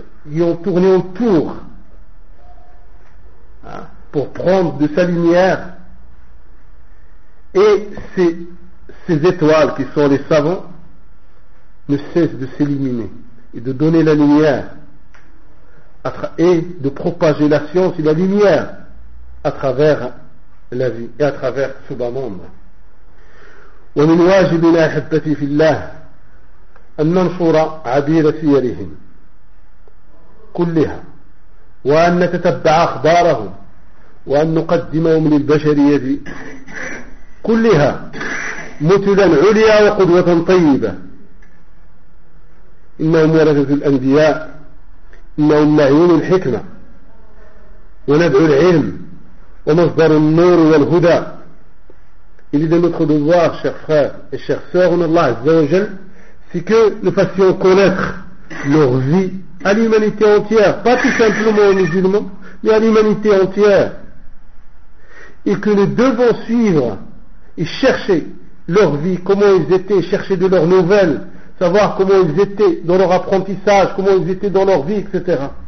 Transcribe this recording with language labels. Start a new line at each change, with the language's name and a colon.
French: Ils ont tourné autour pour prendre de sa lumière, et ces étoiles qui sont les savants ne cessent de s'illuminer et de donner la lumière et de propager la science et la lumière à travers la vie et à travers ce bas monde.
Arabic: ومن واجبنا أحبتي في الله أن ننشر عبير سيرهم كلها، وأن نتتبع أخبارهم، وأن نقدمهم للبشرية كلها مثلا عليا وقدوة طيبة. إنهم ورثة الأنبياء، إنهم معين الحكمة ونبع العلم ومصدر النور والهدى.
French: Il est de notre devoir, chers frères et chères sœurs, en Allah Azza wa Jal, c'est que nous fassions connaître leur vie à l'humanité entière, pas tout simplement aux musulmans, mais à l'humanité entière. et que les deux vont suivre et chercher leur vie, comment ils étaient, chercher de leurs nouvelles, savoir comment ils étaient dans leur apprentissage, comment ils étaient dans leur vie, etc.